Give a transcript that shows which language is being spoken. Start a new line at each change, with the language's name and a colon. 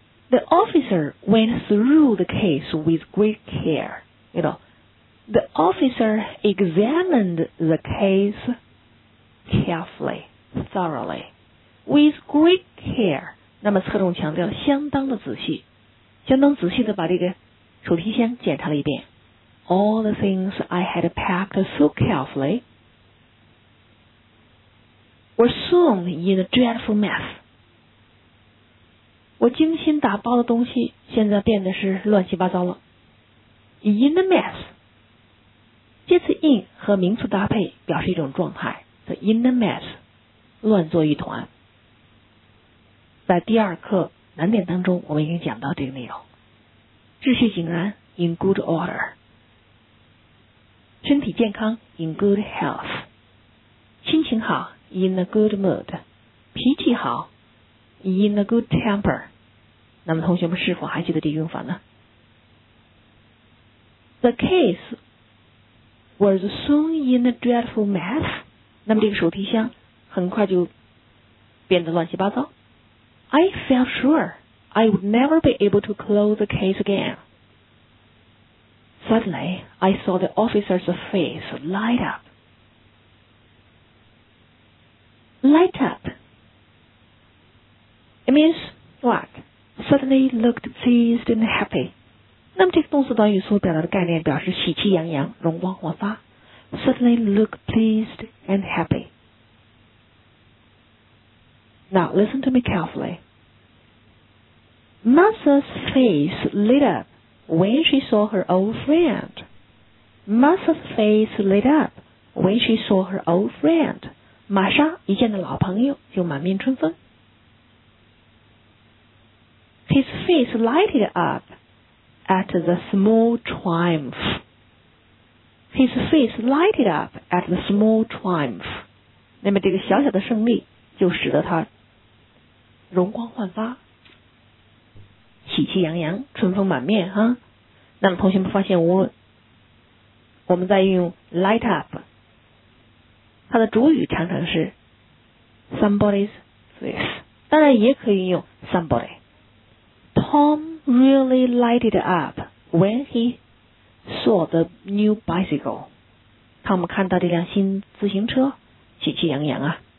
English: The officer went through the case with great care. You know, the officer examined the case carefully, thoroughly, with great care.
Chinese: 那么侧重强调相当的仔细，相当仔细的把这个手提箱检查了一遍。
English: All the things I had packed so carefully were soon in a dreadful mess.
Chinese: 我精心打包的东西现在变得是乱七八糟了。
English: In a mess.
Chinese: 介词 in 和名词搭配表示一种状态。
English: So in a mess.
Chinese: 乱作一团。在第二课难点当中我们已经讲到这个内容。秩序井然
English: in good order。
Chinese: 身体健康
English: in good health，
Chinese: 心情好
English: in a good mood，
Chinese: 脾气好
English: in a good temper。
Chinese: 那么同学们是否还记得这用法呢？
English: The case was soon in a dreadful mess。
Chinese: 那么这个手提箱很快就变得乱七八糟。
English: I felt sure I would never be able to close the case againSuddenly, I saw the officer's face light up. Light up. It means what? Suddenly looked pleased and happy.
Chinese: 那么这个动词短语所表达的概念表示喜气洋洋，容光焕发。
English: Suddenly looked pleased and happy. Now, listen to me carefully. Martha's face lit up. When she saw her old friend, Martha's face lit up. When she saw her old friend,
Chinese: 玛莎一见的老朋友就满面春风。
English: His face lighted up at the small triumph. His face lighted up at the small triumph.
Chinese: 那么这个小小的胜利就使得他容光焕发，喜气洋洋，春风满面哈。那么同学们发现无论我们在用 light up， 它的主语常常是 somebody's face， 当然也可以用 somebody。
English: Tom really lighted up when he saw the new bicycle。 Tom
Chinese: 看到这辆新自行车喜气洋洋啊。